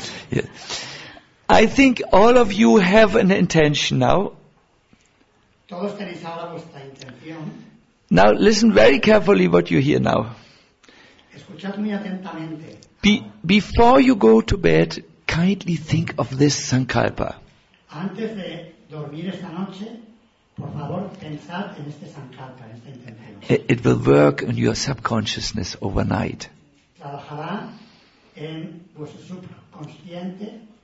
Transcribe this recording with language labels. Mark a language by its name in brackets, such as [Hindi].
[English] Yes. I think all of you have an intention now. [Spanish] Todos tenéis ahora vuestra intención. [English] Now listen very carefully what you hear now. [Spanish] Escuchad muy atentamente. [English] Before you go to bed, kindly think of this sankalpa. [Spanish] Antes de dormir esta noche, por favor, pensad en este sankalpa, en esta intención. [English] It will work in your subconsciousness overnight. [Spanish] Trabajará en vuestro subconsciente.